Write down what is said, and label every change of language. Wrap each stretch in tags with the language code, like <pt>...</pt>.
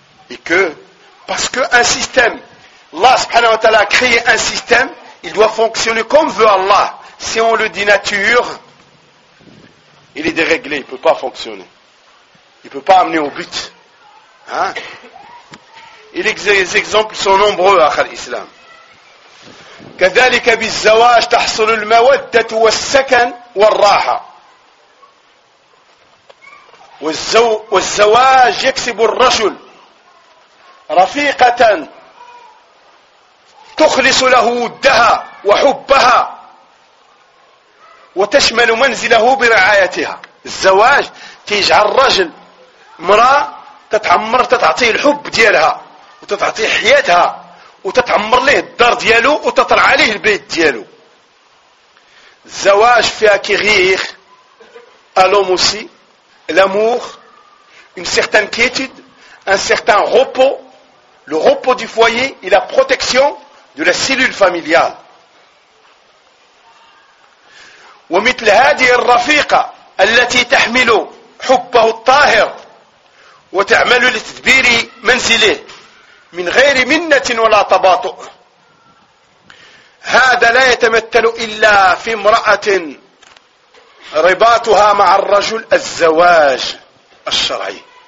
<fr>Et que, parce qu'un système, Allah subhanahu wa ta'ala a créé un système, il doit fonctionner comme veut Allah. Si on le dit nature, il est déréglé, il ne peut pas fonctionner. Il ne peut pas amener au but. Hein? Et les exemples sont nombreux à l'islam.</fr> <ar>كذلك بالزواج تحصل المودة والسكن والراحة. والزواج يكسب الرجل رفيقة تخلص له ودها وحبها وتشمل منزله برعايتها. الزواج تيجعل الرجل امرأة تتعمر تتعطيه الحب ديالها وتتعطيه حياتها وتتعمر ليه الدار ديالو وتطلع عليه البيت ديالو. الزواج في اكيغيغ الوم اوسي الامور</ar> <fr>une certaine quiétude, un certain repos, le repos du foyer et la protection de la cellule familiale.</fr> <ar>ومثل هذه الرفيقة التي تحمل حبه الطاهر وتعمل لتدبير منزله من غير منة ولا تباطؤ. هذا لا يتمثل إلا في امرأة رباطها مع الرجل الزواج الشرعي.</ar>